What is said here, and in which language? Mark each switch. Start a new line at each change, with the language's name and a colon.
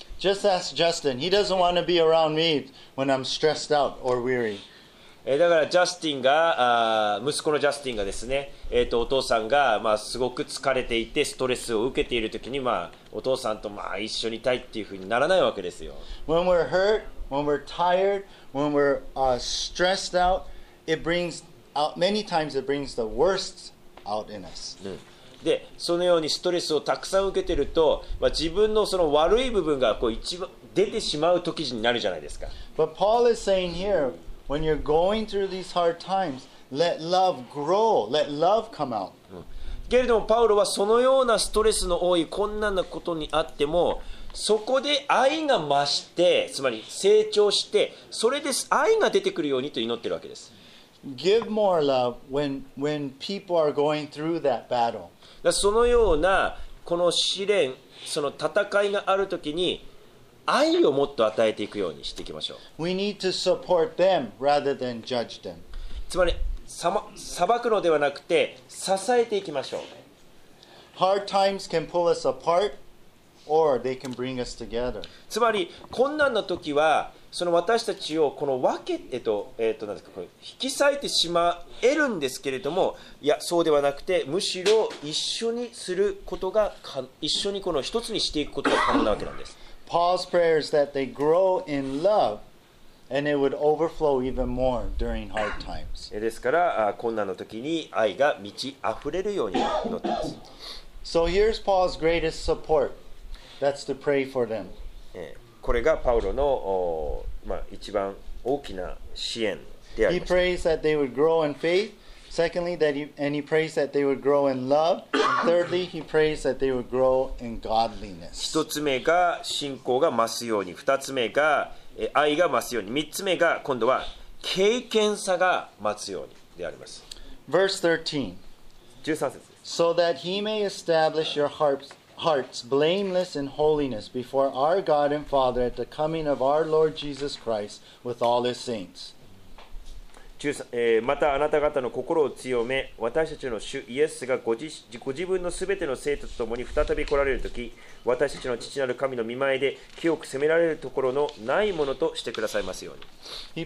English: Just ask Justin. He doesn't want to be around me when I'm stressed out or weary.
Japanese: だからジャスティンが、息子のジャスティンがですね、お父さんが、まあ、すごく疲れていてストレスを受けているときに、まあ、お父さんと、まあ、一緒にいたいっていうふうにならないわけですよ。
English: When we're hurt, when we're tired, when we're stressed out, it brings out, many times it brings the worst out in us.、
Japanese: うん、で、そのようにストレスをたくさん受けていると、まあ、自分のその悪い部分がこう一番出てしまう時になるじゃないですか。
English: But Paul is saying here,When you're going through these hard times, let love grow. Let love come out.
Japanese: けれどもパウロはそのようなストレスの多い困難なことにあっても、そこで愛が増して、つまり成長して、それで愛が出てくるようにと祈ってるわけです。
English: Give more love when people are going through that battle.
Japanese: だそのようなこの試練、その戦いがあるときに、愛をもっと与えていくようにしていきましょう。
English: We need to support them rather than judge them.
Japanese: つまり、裁くのではなくて、支えていきましょう。
English: Hard times can pull us apart, or they can bring us together.
Japanese: つまり、困難な時は、その私たちをこの分け、なんですか、これ引き裂いてしまえるんですけれども、いや、そうではなくて、むしろ一緒にすることが、一緒にこの一つにしていくことが可能なわけなんです。
English: Paul's prayer is that they grow in love and it would overflow even more during hard times.
Japanese: ですから、困難の時に愛が満ち溢れるように祈っています。
English: So here's Paul's greatest support. That's to pray for them.
Japanese: これがパウロの、まあ、一番大きな支援でありました
English: He prays that they would grow in faith. Secondly, that he, and he prays that they would grow in love. And thirdly, he prays that they would grow in godliness.
Japanese: 一つ目が信仰が増すように、二つ目が愛が増すように、三つ目が今度は経験さが増すようにであります。
English: Verse 13.
Japanese: 13節。
English: So that he may establish your hearts blameless in holiness before our God and Father at the coming of our Lord Jesus Christ with all his saints.
Japanese: またあなた方の心を強め、私たちの主イエスがご自分のすべての聖徒と共に再び来られるとき、私たちの父なる神の御前で清く責められるところのないものとしてくださいますように。